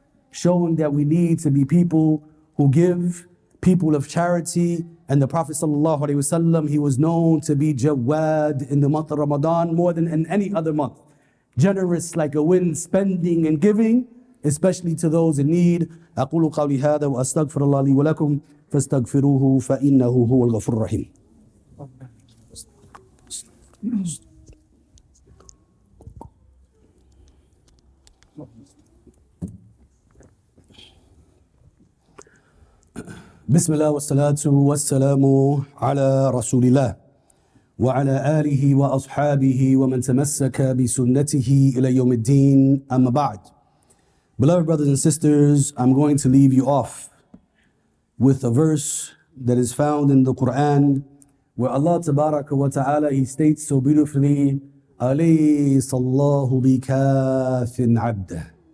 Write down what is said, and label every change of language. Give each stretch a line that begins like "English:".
English: Showing that we need to be people who give, people of charity. And the Prophet sallallahu alaihi wasallam, he was known to be jawad in the month of Ramadan more than in any other month. Generous like a wind, spending and giving, especially to those in need.
Arabic: أقول قولي هذا وأستغفر الله لي ولكم فاستغفروه فإنه هو الغفور الرحيم. بسم الله والصلاة والسلام على رسول الله وعلى آله وأصحابه ومن تمسك بسنته إلى يوم الدين أما بعد.
English: Beloved brothers and sisters, I'm going to leave you off with a verse that is found in the Quran where Allah tabaraka wa ta'ala, He states so beautifully,
Arabic: أَلَيْسَ اللَّهُ بِكَافٍ عَبْدَهُ.